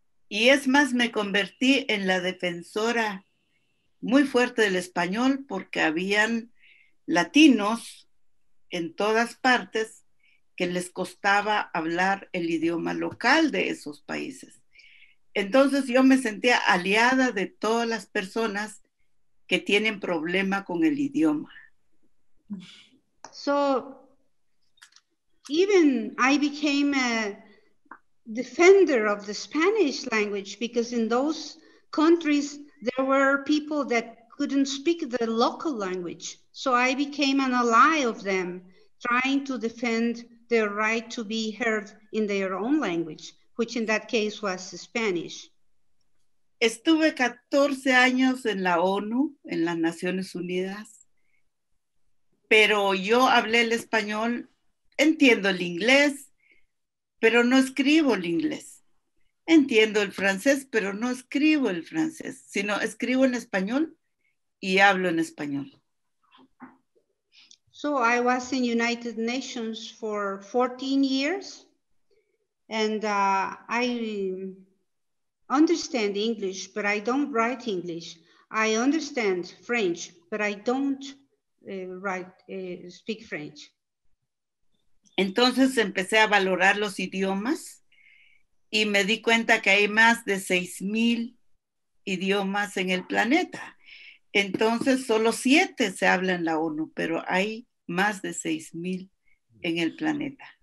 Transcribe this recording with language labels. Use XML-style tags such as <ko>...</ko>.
<es>Y es más, me convertí en la defensora muy fuerte del español porque habían latinos en todas partes que les costaba hablar el idioma local de esos países. Entonces yo me sentía aliada de todas las personas que tienen problema con el idioma.</es> <en>So, even I became a defender of the Spanish language because in those countries there were people that couldn't speak the local language. So I became an ally of them, trying to defend their right to be heard in their own language, which in that case was Spanish.</en> <es>Estuve 14 años en la ONU, en las Naciones Unidas, pero yo hablé el español, entiendo el inglés, pero no escribo el inglés. Entiendo el francés, pero no escribo el francés, sino escribo en español y hablo en español.</es> <en>So I was in United Nations for 14 years. And I understand English, but I don't write English. I understand French, but I don't speak French.</en> <es>Entonces empecé a valorar los idiomas Y me di cuenta que hay más de 6,000 idiomas en el planeta. Entonces, solo 7 se hablan en la ONU, pero hay más de 6,000 en el planeta.</es>